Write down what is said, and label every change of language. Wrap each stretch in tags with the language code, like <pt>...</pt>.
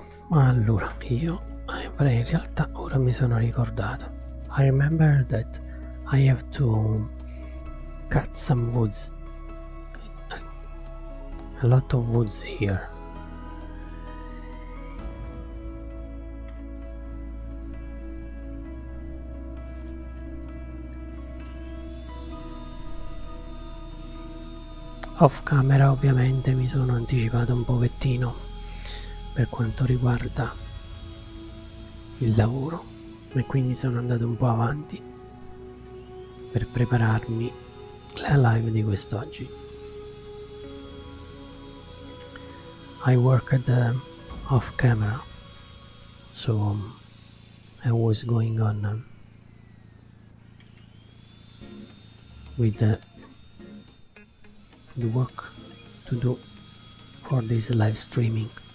<it>Allora, io avrei in realtà, ora mi sono ricordato.</it> <en>I remember that I have to cut some woods. A lot of woods here.</en> <it>Off camera ovviamente mi sono anticipato un pochettino per quanto riguarda il lavoro e quindi sono andato un po' avanti per prepararmi la live di quest'oggi.</it> <en>I worked off camera, so I was going on with the work to do for this live streaming.</en>